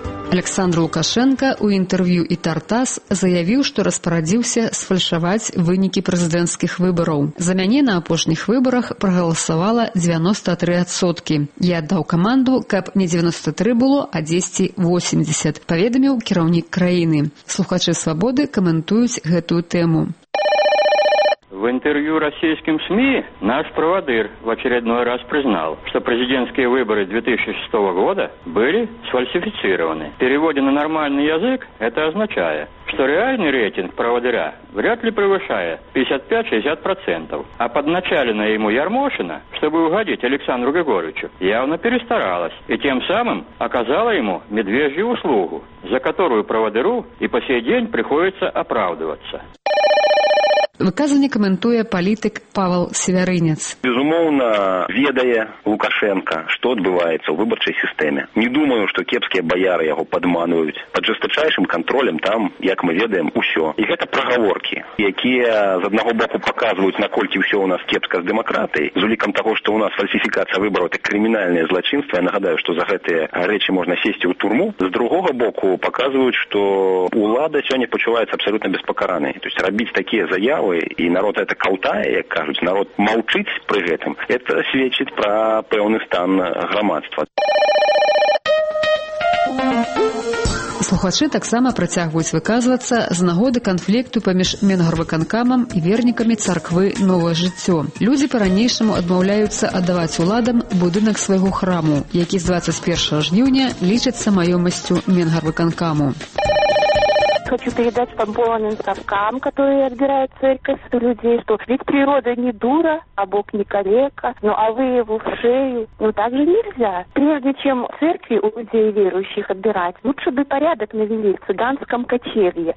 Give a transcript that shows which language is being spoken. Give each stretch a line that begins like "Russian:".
Belarusian: Александр Лукашэнка ў інтэрв'ю і «Тартас» заявіў, што распарадзіўся сфальшаваць вынікі прэзідэнцкіх выбараў. За мяне на апошніх выбарах прагаласавала 93%. Я аддаў каманду, каб не 93 было, а 10-80, паведаміў кіраўнік краіны. Слухачы «Свабоды» каментуюць гэтую тэму.
Russian: В интервью российским СМИ наш проводыр в очередной раз признал, что президентские выборы 2006 года были сфальсифицированы. В переводе на нормальный язык это означает, что реальный рейтинг проводыря вряд ли превышает 55-60%. А подначаленная ему Ярмошина, чтобы угодить Александру Григорьевичу, явно перестаралась и тем самым оказала ему медвежью услугу, за которую проводыру и по сей день приходится оправдываться.
Belarusian: Выказанне каментуе палітык Павел Севярынец. Безумоўна, ведае Лукашэнка, што адбываецца ў выбарчай сістэме. Не думаю, што кепскія баяры яго падманваюць. Пад жэстачайшым кантролем там, як мы ведаем, усё. І гэта прагаворкі, якія з аднаго боку паказваюць, наколькі ўсё ў нас кепска з дэмакратыяй, з улікам таго, што ў нас фальсіфікацыя выбараў гэта крымінальнае злачынства. Я нагадаю, што за гэтыя рэчы можна сесці ў турму. З другога боку, паказваюць, што ўлада сёння пачуваецца абсалютна беспакаранай.
Russian: То есть
Belarusian: рабіць такія заявы
Russian: и народ это каутае, как говорят, народ молчит при этом, это свечит про певный стан громадства.
Belarusian: Слухачы таксама працягваюць выказвацца з нагоды канфлікту паміж Мінгарвыканкамам і вернікамі царквы «Новае жыццё». Людзі па-ранейшаму адмаўляюцца аддаваць уладам будынак свайго храму, які з 21 жніўня лічыцца маёмасцю Мінгарвыканкаму.
Russian: Хочу передать помпованным совкам, которые отбирают церковь людей, что ведь природа не дура, а Бог не калека, ну а вы его в шею. Ну так же нельзя. Прежде чем церкви у людей верующих отбирать, лучше бы порядок навели в цыганском кочевье.